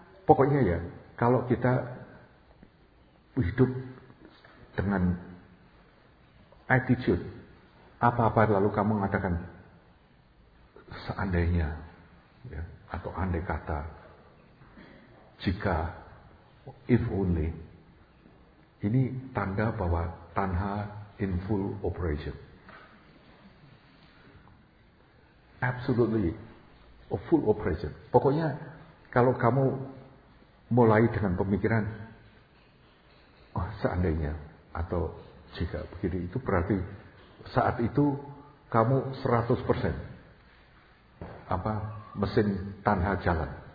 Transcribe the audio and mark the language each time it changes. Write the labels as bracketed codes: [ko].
[id] Pokoknya ya, kalau kita hidup dengan attitude apa-apa lalu kamu mengatakan seandainya ya, atau andai kata, jika, if only, ini tanda bahwa tanha in full operation. [en] Absolutely a full operation. [id] Pokoknya kalau kamu mulai dengan pemikiran oh, seandainya atau jika begini, itu berarti saat itu kamu 100% apa mesin tanha jalan.